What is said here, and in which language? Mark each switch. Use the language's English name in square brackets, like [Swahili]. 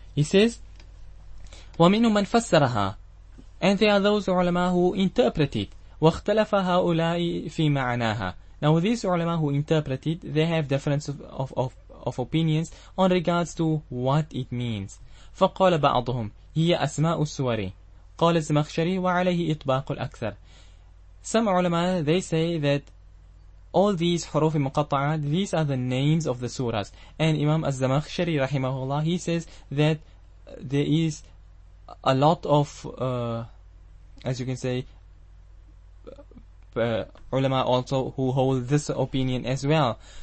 [English] He says, [Arabic] وَمِنُ مَنْ فَسَّرَهَا, [English] and there are those ulama who interpret it. [Arabic] واختلف هؤلاء في معناها. [English] Now these ulama who interpreted, they have difference of opinions on regards to what it means. [Arabic] فقال بعضهم هي أسماء السور. قال الزمخشري وعليه إطباق الأكثر. [English] Some ulama, they say that all these حروف مقطعة, these are the names of the surahs. And Imam الزمخشري [Arabic] رحمه الله, [English] he says that there is a lot of as you can say, ulama also who hold this opinion as well.